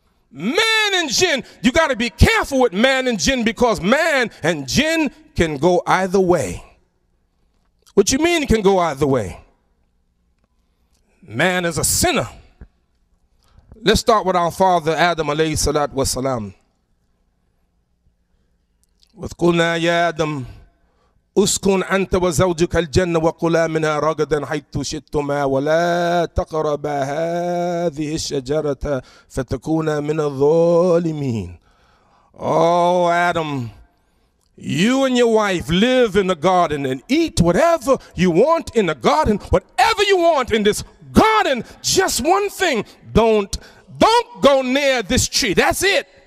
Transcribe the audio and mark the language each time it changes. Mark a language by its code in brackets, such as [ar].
[en] Man and jinn, you got to be careful with man and jinn, because man and jinn can go either way. What you mean can go either way? Man is a sinner. Let's start with our father Adam alayhi salatu wasalam. With [ar] kulna ya Adam اسكن أنت وزوجك الجنة وقلا منها رغدا حيث شئتما ولا تقربا هذه الشجرة فتكونا من الظالمين. [en] Oh Adam, you and your wife live in the garden and eat whatever you want in the garden, whatever you want in this garden. Just one thing, don't go near this tree. That's it.